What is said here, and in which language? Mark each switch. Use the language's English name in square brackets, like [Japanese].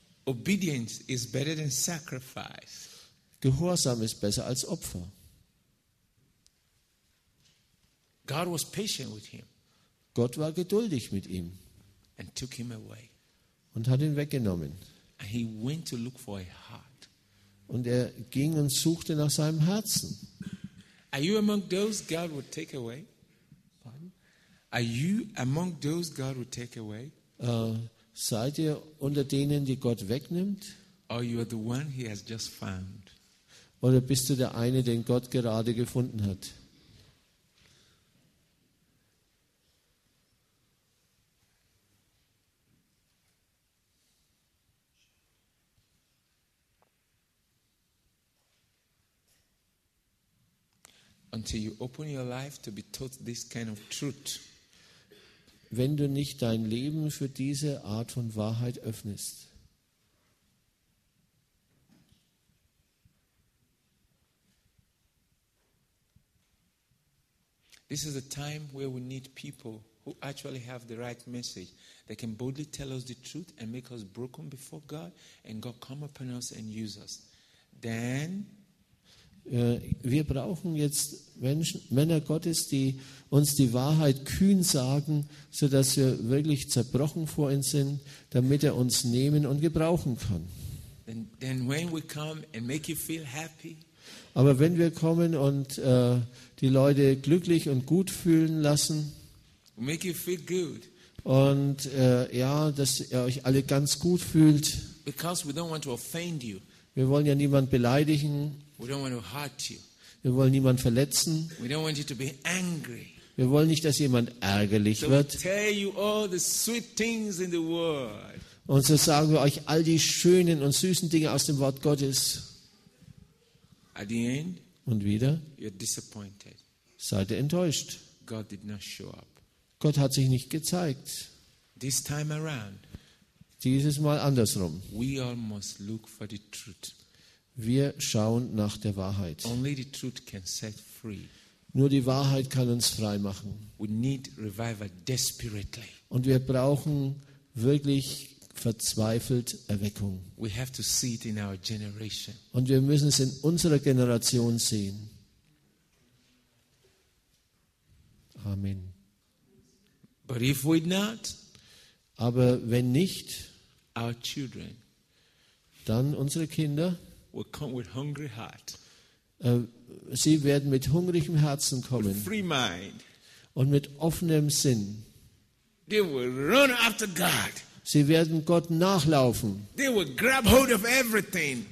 [English] Obedience is better than sacrifice. [German] Gehorsam ist besser als Opfer. [English] God was patient with him. [German] Gott war geduldig mit ihm. [English] And took him away. [German] Und hat ihn weggenommen. [English] And he went to look for a heart. [German] Und er ging und suchte nach seinem Herzen. [English] Are you among those God would take away? Pardon? Are you among those God would take away? [German] Seid ihr unter denen, die Gott wegnimmt? [English] Or you are the one he has just found? [German] Oder bist du der eine, den Gott gerade gefunden hat? [English] Until you open your life to be taught this kind of truth. [German] Wenn du nicht dein Leben für diese Art von Wahrheit öffnest. [English] This is a time where we need people who actually have the right message. They can boldly tell us the truth and make us broken before God and God come upon us and use us. Then [German] wir brauchen jetzt Menschen, Männer Gottes, die uns die Wahrheit kühn sagen, sodass wir wirklich zerbrochen vor ihm sind, damit er uns nehmen und gebrauchen kann. [English] Then when we come and make you feel happy, [German] aber wenn wir kommen und die Leute glücklich und gut fühlen lassen [English] make you feel good, [German] und ja, dass ihr euch alle ganz gut fühlt, [English] because we don't want to offend you. [German] Wir wollen ja niemanden beleidigen. [English] We don't want to hurt you. [German] Wir wollen niemanden verletzen. [English] We don't want you to be angry. [German] Wir wollen nicht, dass jemand ärgerlich wird. [English] So tell you all the sweet things in the world. [German] Und so sagen wir euch all die schönen und süßen Dinge aus dem Wort Gottes. [English] At the end, [German] und wieder [English] you're disappointed. [German] Seid ihr enttäuscht. [English] God did not show up. [German] Gott hat sich nicht gezeigt. [English] This time around, [German] dieses Mal andersrum. [English] We all must look for the truth. [German] Wir schauen nach der Wahrheit. [English] Only the truth can set free. [German] Nur die Wahrheit kann uns frei machen. [English] We need revival desperately. [German] Und wir brauchen wirklich verzweifelt Erweckung. [English] We have to see it in our generation. [German] Und wir müssen es in unserer Generation sehen. [English] Amen. But if we not, [German] aber wenn nicht, [English] our children, [German] dann unsere Kinder, [English] will come with hungry heart. [German] Sie werden mit hungrigem Herzen kommen. [English] With free mind. [German] Und mit offenem Sinn. [English] They will run after God. [German] Sie werden Gott nachlaufen. [English] They will grab hold of everything.